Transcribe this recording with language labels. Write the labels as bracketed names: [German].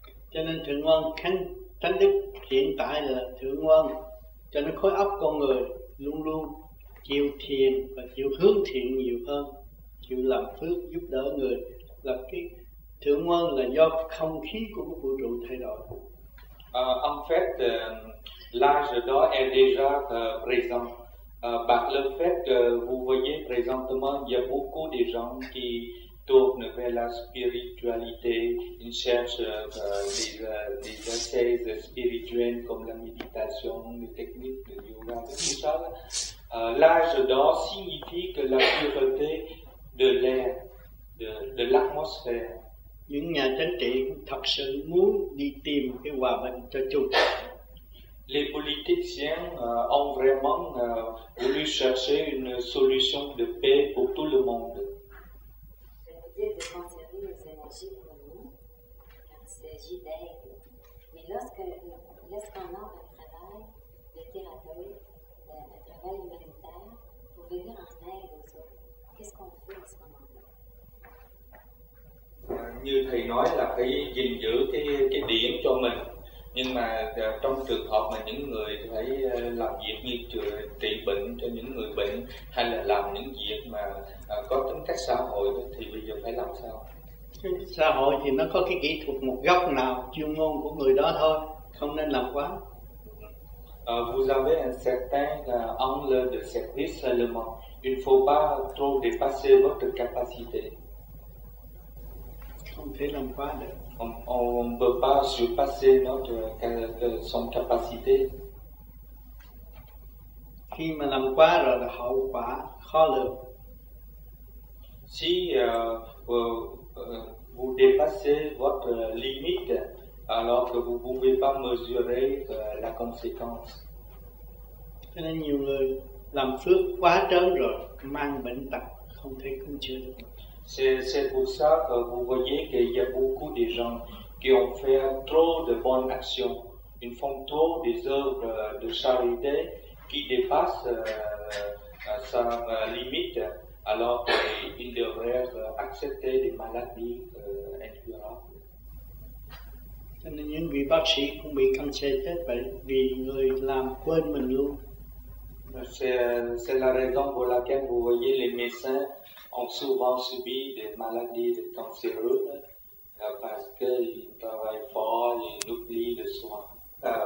[Vietnamese] Cho nên thượng môn thánh đức hiện tại là thượng môn, cho nên khối óc con người luôn luôn chịu thiền và chịu hướng thiện nhiều hơn, chịu làm phước giúp đỡ người, là cái thượng môn là do không khí của vũ trụ thay đổi. [French] En fait, l'âge d'or est déjà présent. Par le fait que vous voyez présentement, il y a beaucoup de gens qui tournent vers la spiritualité, ils cherchent des ascèses spirituelles comme la méditation, les techniques de yoga, tout ça. L'âge d'or signifie que la pureté de l'air, de l'atmosphère. [Vietnamese] Những nhà chính trị thật sự muốn đi tìm cái hòa bình cho chúng. [French] Les politiciens ont vraiment voulu chercher une solution de paix pour tout le monde. Ça veut dire de conserver les énergies pour nous, car il s'agit d'aide. Mais lorsqu'on entre un travail de thérapeute, un travail humanitaire, pour venir en aide aux autres, qu'est-ce qu'on fait en ce moment? [Vietnamese] Như thầy nói là phải gìn giữ cái điểm cho mình. Nhưng mà trong trường hợp mà những người phải làm việc như trị bệnh cho những người bệnh, hay là làm những việc mà có tính cách xã hội, thì bây giờ phải làm sao? Xã hội thì nó có cái kỹ thuật một góc nào chuyên môn của người đó thôi, không nên làm quá. [French] Vous avez un certain angle de service seulement. Il ne faut pas trop dépasser votre capacité. [Vietnamese] Không thể làm quá được. [French] On peut pas surpasser son capacité. [Vietnamese] Khi mà làm quá rồi là hậu quả khó lường. [French] Si vous dépassez votre limite, alors que vous pouvez pas mesurer la conséquence. [Vietnamese] Cho nên nhiều người làm phước quá trớn rồi mang bệnh tật không thể cứu chữa được. [French] C'est pour ça que vous voyez qu'il y a beaucoup de gens qui ont fait trop de bonnes actions, ils font trop des œuvres de charité qui dépassent sa limite, alors qu'ils devraient accepter des maladies incurables. [Vietnamese] Cho nên những vị bác sĩ cũng bị cancer chết bởi vì người làm quên mình luôn. [French] C'est la raison pour laquelle vous voyez les médecins ont souvent subi des maladies de cancéreux parce qu'ils travaillent fort, ils oublient le soin.